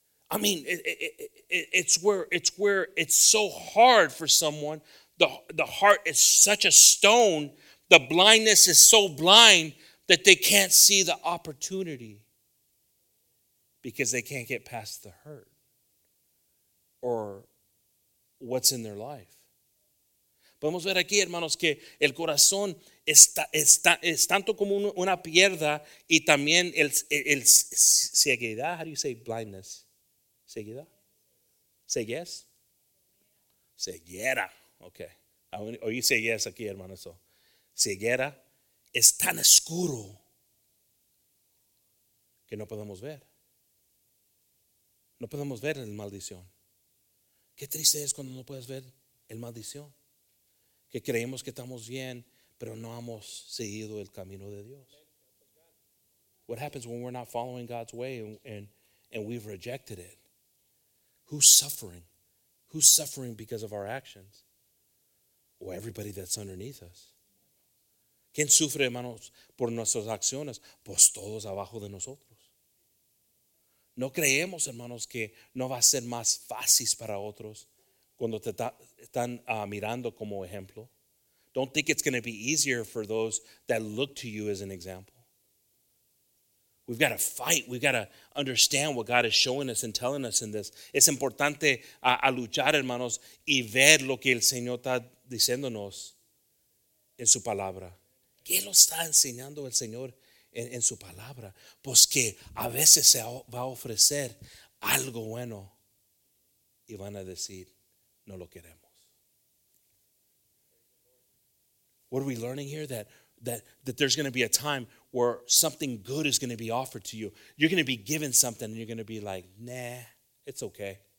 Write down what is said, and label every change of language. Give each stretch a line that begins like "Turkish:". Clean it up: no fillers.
English: I mean, it's where it's so hard for someone. The heart is such a stone. The blindness is so blind that they can't see the opportunity because they can't get past the hurt or what's in their life.
Spanish: Podemos ver aquí, hermanos, que el corazón es tanto como una piedra y también el ceguedad.
English: How do you say blindness? Ceguedad. Ceguez. Ceguera. Okay.
Spanish: Oí ceguez aquí, hermanos. Ceguera es tan oscuro que no podemos ver. No podemos ver la maldición. Qué triste es cuando no puedes ver la maldición. Que creemos que estamos bien, pero no hemos seguido el camino de Dios.
English: What happens when we're not following God's way and we've rejected it? Who's suffering? Who's suffering because of our actions? Or everybody that's underneath us.
Spanish: ¿Quién sufre, hermanos, por nuestras acciones? Pues todos abajo de nosotros. No creemos, hermanos, que no va a ser más fácil para otros cuando te están mirando como ejemplo.
English: Don't think it's going to be easier for those that look to you as an example. We've got to fight. We've got to understand what God is showing us and telling us in this.
Spanish: Es importante a luchar, hermanos, y ver lo que el Señor está diciéndonos en su palabra. ¿Qué lo está enseñando el Señor en su palabra? Pues que a veces se va a ofrecer algo bueno y van a decir, no lo queremos.
English: What are we learning here? That there's going to be a time where something good is going to be offered to you. You're going to be given something and you're going to be like, nah, it's okay.